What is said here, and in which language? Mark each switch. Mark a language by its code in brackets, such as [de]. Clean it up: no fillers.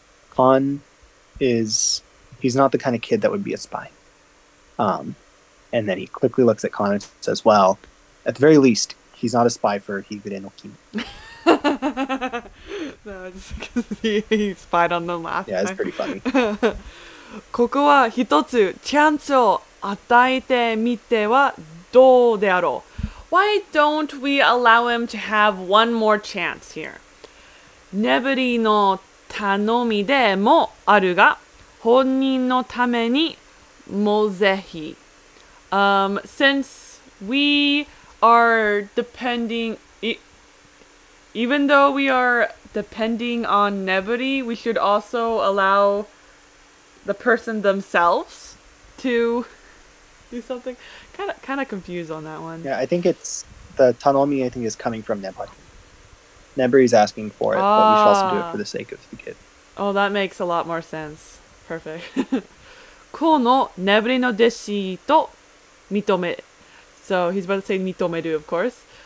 [en] Khan is, he's not the kind of kid that would be a spy. And then he quickly looks at Khan and says, well, at the very least, he's not a spy for Higure no Kimi. That So just because he spied on them last time. Yeah, it's pretty funny. [ja] ここは一つチャンスを与えてみてはどうであろう。 [en] Why don't we allow him to have one more chance here? [ja] ネブリの頼みでもあるが、本人のためにもぜひ。 [en] Since we are depending, even though we are depending on Nebri, we should also allow the person themselves to do something. Kind of confused on that one. Yeah, I think it's the tanomi. I think is coming from Nebri. Nebri is asking for it, but we should also do it for the sake of the kid. Oh, that makes a lot more sense. Perfect. [ja] このネブリの弟子と認め。 [en] So he's about to say 認めど, of course.